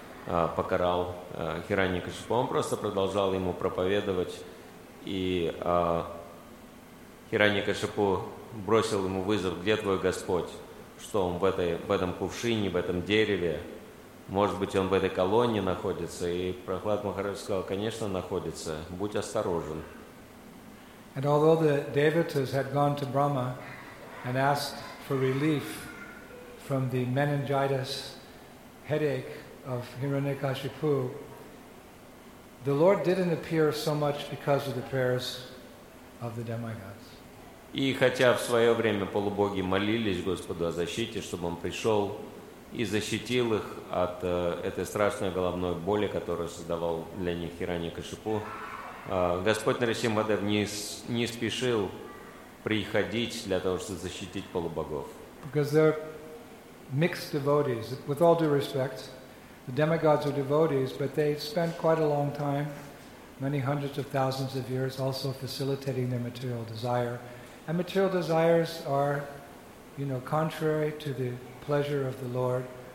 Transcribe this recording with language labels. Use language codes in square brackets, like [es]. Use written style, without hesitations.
[ru] покарал Хираньякашипу. Он просто продолжал ему проповедовать, и Хираньякашипу бросил ему вызов: где твой Господь? Что он в этом кувшине, в этом дереве? Может быть, он в этой колонне находится? И Прохлад Махарадж сказал: конечно, находится, будь осторожен. [en] And although the devotees had gone to Brahma and asked for relief from the meningitis headache of Hiranyakashipu, the Lord didn't appear so much because of the prayers of the demigods. [ru] И хотя в свое время полубоги молились Господу о защите, чтобы он пришел и защитил их от этой страшной головной боли, которую создавал для них Хиранья-Кашипу, Господь Нарасимхадев не спешил приходить для того, чтобы защитить полубогов. [en] Because they're mixed devotees. With all due respect, the demigods are devotees, but they spent quite a long time, many hundreds of thousands of years, also facilitating their material desire. And material desires are, you know, contrary to the pleasure of the Lord.